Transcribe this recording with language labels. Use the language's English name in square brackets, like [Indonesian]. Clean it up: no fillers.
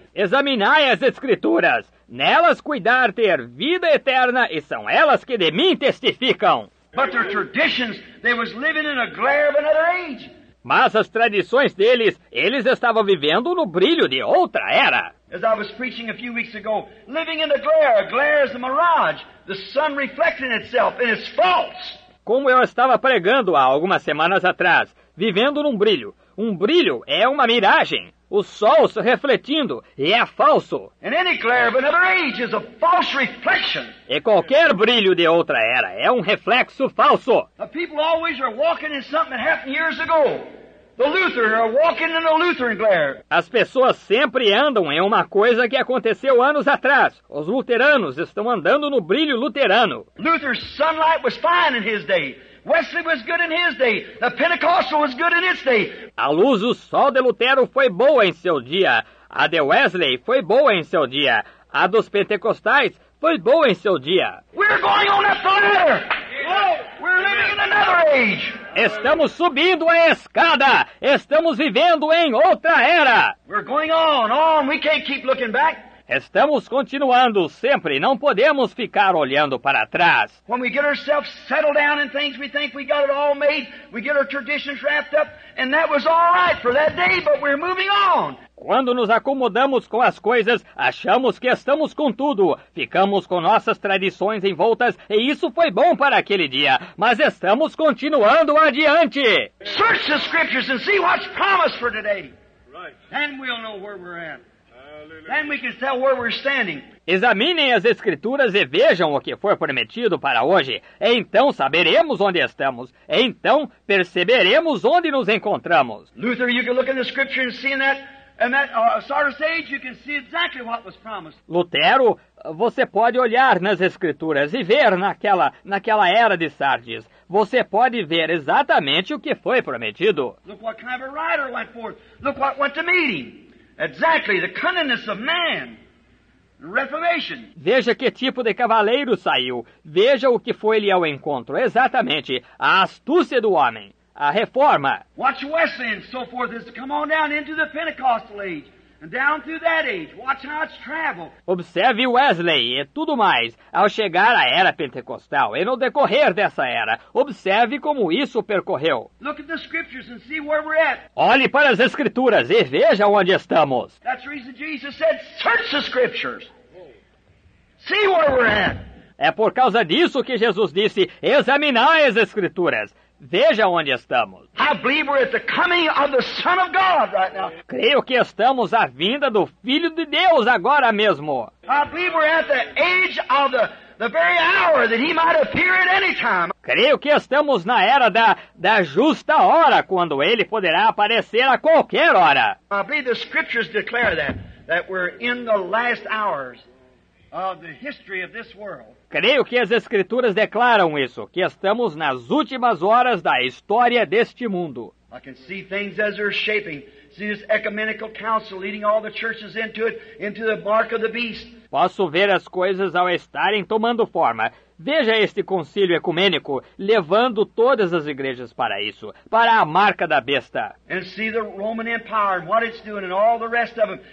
[Portuguese] Examinai as escrituras, nelas cuidar ter vida eterna, e são elas que de mim testificam. [English] But their traditions, they was living in a glare of another age. [Portuguese] Mas as tradições deles, eles estavam vivendo no brilho de outra era. [English] As I was preaching a few weeks ago, living in a glare is a mirage, the sun reflecting itself, and it's false. [Portuguese] Como eu estava pregando há algumas semanas atrás, vivendo num brilho. Um brilho é uma miragem, o sol se refletindo, e é falso. [English] And any glare of another age is a false reflection. [Portuguese] E qualquer brilho de outra era é um reflexo falso. [English] The people always are walking in something that happened years ago. The Lutheran are walking in a Lutheran glare. [Portuguese] As pessoas sempre andam em uma coisa que aconteceu anos atrás. Os luteranos estão andando no brilho luterano. [English] Luther's sunlight was fine in his day. Wesley was good in his day. The Pentecostal was good in its day. [Portuguese] A luz do sol de Lutero foi boa em seu dia. A de Wesley foi boa em seu dia. A dos pentecostais foi boa em seu dia. [English] We're going on up the ladder. We're living in another age. [Portuguese] Estamos subindo a escada. Estamos vivendo em outra era. [English] We're going on. We can't keep looking back. [Portuguese] Estamos continuando sempre, não podemos ficar olhando para trás. [English] When we get ourselves settled down in things, we think we got it all made, we get our traditions wrapped up, and that was all right for that day, but we're moving on. [Portuguese] Quando nos acomodamos com as coisas, achamos que estamos com tudo. Ficamos com nossas tradições envoltas e isso foi bom para aquele dia. Mas estamos continuando adiante. [English] Search the scriptures and see what's promised for today. Then we'll know where we're at. Then we can tell where we're standing. [Portuguese] Examinem as escrituras e vejam o que foi prometido para hoje. Então saberemos onde estamos. Então perceberemos onde nos encontramos. [English] Luther, you can look in the scripture and see that. And that Sardis age, you can see exactly what was promised. [Portuguese] Lutero, você pode olhar nas escrituras e ver naquela era de Sardes. Você pode ver exatamente o que foi prometido. [English] Look what kind of a rider went forth. Look what went to meeting. Exactly, the cunningness of man. Reformation. [Portuguese] Veja que tipo de cavaleiro saiu. Veja o que foi ele ao encontro. Exatamente, a astúcia do homem. A reforma. [English] Watch Wesley and so forth as to come on down into the Pentecostal age and down through that age. Watch how it's traveled. [Portuguese] Observe Wesley e tudo mais ao chegar à era pentecostal e no decorrer dessa era. Observe como isso percorreu. [English] Look at the scriptures and see where we're at. [Portuguese] Olhe para as escrituras e veja onde estamos. [English] That's the reason Jesus said, search the scriptures. See where we're at. [Portuguese] É por causa disso que Jesus disse, examinai as escrituras. Veja onde estamos. [English] I believe we're at the coming of the Son of God right now. [Portuguese] Creio que estamos à vinda do Filho de Deus agora mesmo. [English] I believe we're at the age of the very hour that he might appear at any time. [Portuguese] Creio que estamos na era da justa hora, quando ele poderá aparecer a qualquer hora. [English] I believe the scriptures declare that we're in the last hours of the history of this world. [Portuguese] Creio que as escrituras declaram isso, que estamos nas últimas horas da história deste mundo. [English] I can see things as they're shaping. See this ecumenical council leading all the churches into it, into the mark of the beast. [Portuguese] Posso ver as coisas ao estarem tomando forma. Veja este concílio ecumênico levando todas as igrejas para isso, para a marca da besta. [English] And see the Roman Empire and what it's doing and all the rest of them.